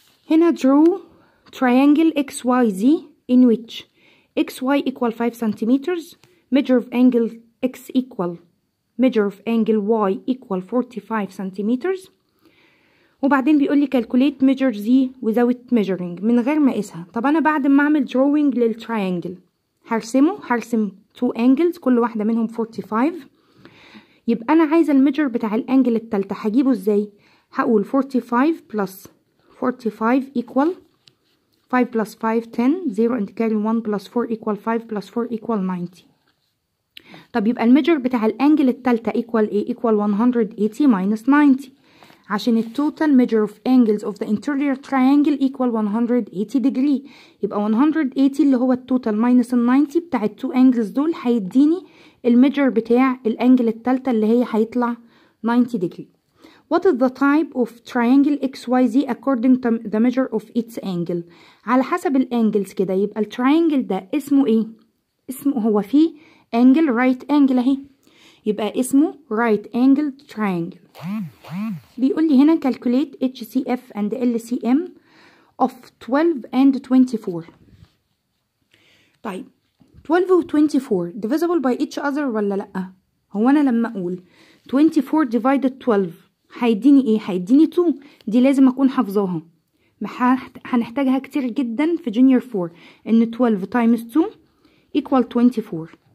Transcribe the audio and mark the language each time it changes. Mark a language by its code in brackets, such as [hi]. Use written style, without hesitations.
[en] هنا draw triangle XYZ in which XY equal 5 cm measure of angle X equal measure of angle Y equal 45 cm [ar] وبعدين بيقول لي [en] calculate measure Z without measuring [ar] من غير ما اقيسها. طب انا بعد ما اعمل drawing للtriangle هرسم two angles كل واحدة منهم 45. يبقى أنا عايز الميجر بتاع الانجل التالتة هجيبه ازاي؟ هقول [en] 45 plus 45 equal 5 plus 5 10 0 and carry 1 plus 4 equal 5 plus 4 equal 90. [ar] طب يبقى الميجر بتاع الانجل التالتة equal A equal 180 minus 90 عشان التوتال ميجر [en] of angles of the interior triangle equal 180 degree. [ar] يبقى 180 اللي هو التوتال minus 90 بتاع التو انجلز دول هيديني الميجر بتاع الانجل التالتة اللي هي هيطلع 90 degree. [en] What is the type of triangle XYZ according to the measure of its angle؟ [ar] على حسب الانجلز كده. يبقى الترينجل ده اسمه ايه؟ اسمه هو فيه انجل رايت انجل اهي، يبقى اسمه رايت انجل ترينجل. بيقول لي هنا [en] calculate HCF and LCM of 12 and 24. [ar] طيب 12 و24 [en] divisible by each other [ar] ولا لا؟ هو انا لما اقول 24 divided 12 هيديني ايه؟ هيديني 2. دي لازم اكون حافظاها، هنحتاجها كتير جدا في جونيور 4، ان 12 times 2 equal 24.